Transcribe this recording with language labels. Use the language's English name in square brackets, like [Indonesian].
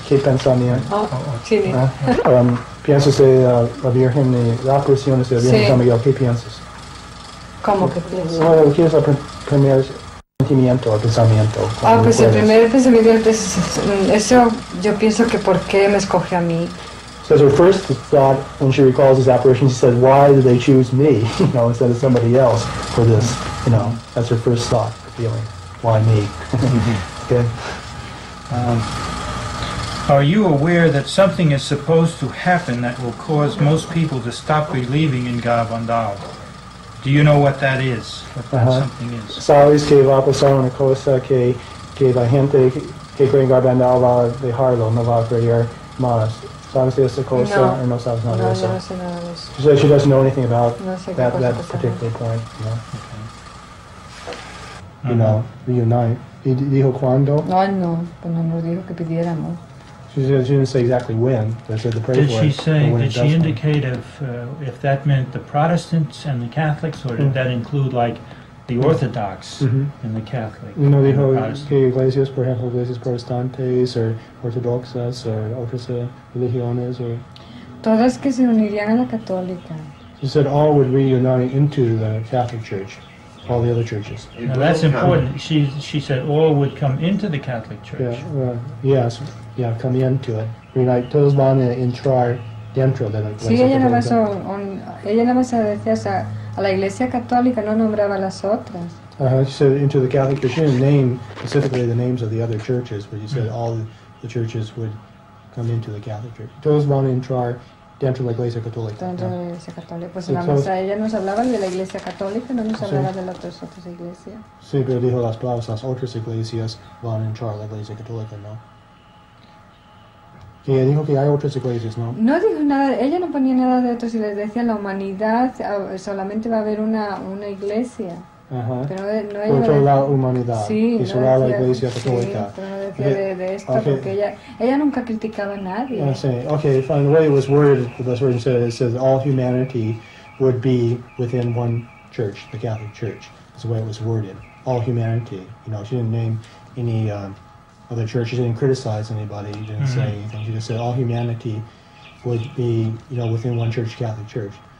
[Spanish] ¿Qué pensamiento? ¿Piensas de la Virgen y las apariciones de la Virgen en San Miguel? ¿Qué piensas? ¿Cómo que piensas? ¿Qué es el primer sentimiento o pensamiento? El primer pensamiento es eso. Yo pienso que por qué me escogió a mí. [English] So her first thought, when she recalls this apparition, she said, why did they choose me, you know, instead of somebody else for this, you know? That's her first thought, feeling. Why me? Okay. Are you aware that something is supposed to happen that will cause most people to stop believing in Garabandal? Do you know what that is? What that something is? [Spanish] Sales que va a pasar una cosa que la gente que cree en Garabandal va a dejarlo, no va a creer más. ¿Sabes de esa cosa no. Or no sabes nada de eso? No, no sé nada de eso. [English] She doesn't know anything about that particular point. You know? Okay. You know, reunite. [Spanish] ¿Y dijo cuándo? No, no, pero no dijo que pidiéramos. [English] She didn't say exactly when. They said the prayer did she say, did she indicate if that meant the Protestants and the Catholics, or did that include, like, the Orthodox and the Catholic? [Spanish] No, dijo que iglesias, por ejemplo, iglesias protestantes, or ortodoxas, or otras religiones, or... Todas que se unirían a la católica. [English] She said all would reunite into the Catholic Church. All the other churches. Now that's important. She said all would come into the Catholic Church. Yes, come into it. Reunite. [Spanish] Todos van a entrar dentro de la Iglesia. Sí, ella nomás decía a la Iglesia Católica, no nombraba las otras. [English] She said into the Catholic Church. She didn't name specifically the names of the other churches, but she said all the churches would come into the Catholic Church. [Spanish] Todos van a entrar dentro de la Iglesia Católica. Dentro de la Iglesia Católica. Pues nada más, ella nos hablaba de la Iglesia Católica, no nos hablaba de las otras iglesias. Sí, pero dijo las otras iglesias van a entrar a la Iglesia Católica, ¿no? Que dijo que hay otras iglesias, ¿no? No dijo nada, ella no ponía nada de otras iglesias, decía la humanidad, solamente va a haber una iglesia. Ajá. Pero no hay la humanidad. Sí, y solo la Iglesia Católica. Sí, pero no decía de esto, okay. Porque ella nunca criticaba a nadie. [English] Sí, okay, fine. The way it was worded, the best word said, it says all humanity would be within one church, the Catholic Church. That's the way it was worded. All humanity. You know, she didn't name any other church. She didn't criticize anybody. She didn't say anything. She just said all humanity would be, you know, within one church, Catholic Church.